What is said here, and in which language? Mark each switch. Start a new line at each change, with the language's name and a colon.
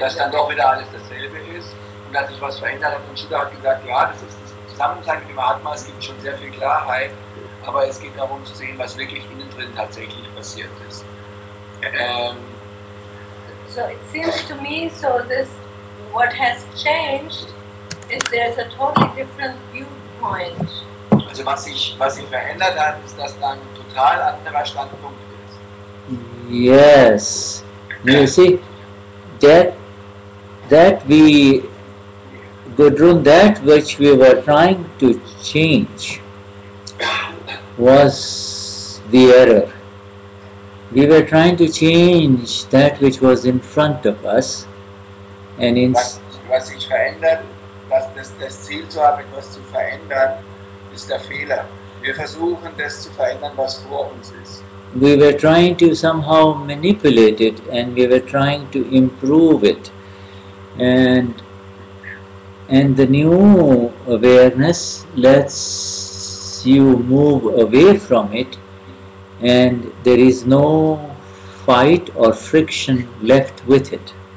German: Dass dann doch wieder alles dasselbe ist und dass sich was verändert hat. Und Schütter hat gesagt, ja, das ist das Zusammensein mit dem Atma, es gibt schon sehr viel Klarheit, aber es geht darum zu sehen, was wirklich innen drin tatsächlich passiert ist.
English: So it seems to me, so this, what has changed is there's a totally different viewpoint.
German: Also was sich verändert hat, ist, dass dann ein total anderer Standpunkt ist.
English: Yes. You see, that which we were trying to change was the error. We were trying to change that which was in front of us, and in
German: was sich verändert, was das Ziel zu haben, etwas zu verändern, ist der Fehler. Wir versuchen das zu verändern, was vor uns ist.
English: We were trying to somehow manipulate it, and we were trying to improve it, and the new awareness lets you move away from it. And there is no fight or friction left with it.